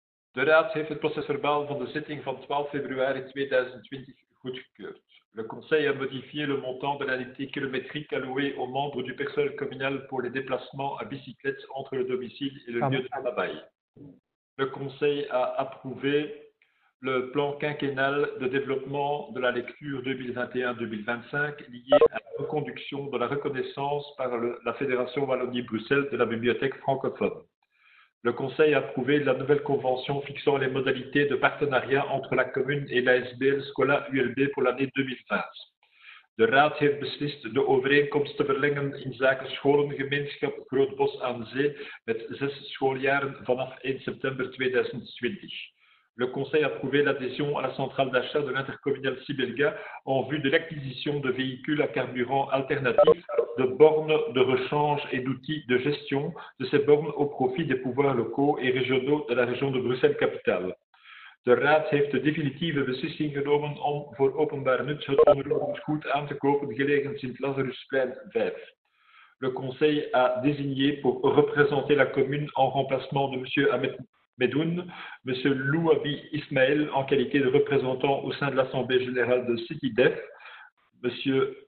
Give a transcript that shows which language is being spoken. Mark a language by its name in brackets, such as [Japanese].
[Dutch] De raad heeft het procesverbaal van de zitting van 12 februari 2020 goedgekeurd. [French] Le conseil a modifié le montant de l'indemnité kilométrique allouée aux membres du personnel communal pour les déplacements à bicyclette entre le domicile et le lieu de travail. Le conseil a approuvé le plan quinquennal de développement de la lecture 2021-2025 lié à la reconduction de la reconnaissance par la Fédération Wallonie-Bruxelles de la bibliothèque francophone. Le Conseil a approuvé la nouvelle convention fixant les modalités de partenariat entre la commune et l'ASBL Scola ULB pour l'année 2020. [Dutch] De Raad heeft beslist de overeenkomst te verlengen in zaken scholengemeenschap Grootbos aan Zee met 6 schooljaren vanaf 1 september 2020. [French] Le Conseil a approuvé l'adhésion à la centrale d'achat de l'intercommunale Sibelga en vue de l'acquisition de véhicules à carburant alternatif, de bornes de rechange et d'outils de gestion de ces bornes au profit des pouvoirs locaux et régionaux de la région de Bruxelles-Capitale. [Dutch] De Raad heeft de definitieve beslissing genomen om voor openbaar nut het onderhoudsgoed aan te kopen gelegen Sint-Lazarusplein 5. [French] Le Conseil a désigné pour représenter la commune en remplacement de M. Ahmed Medoun, M. Louabi Ismaël en qualité de représentant au sein de l'Assemblée générale de CityDef, M.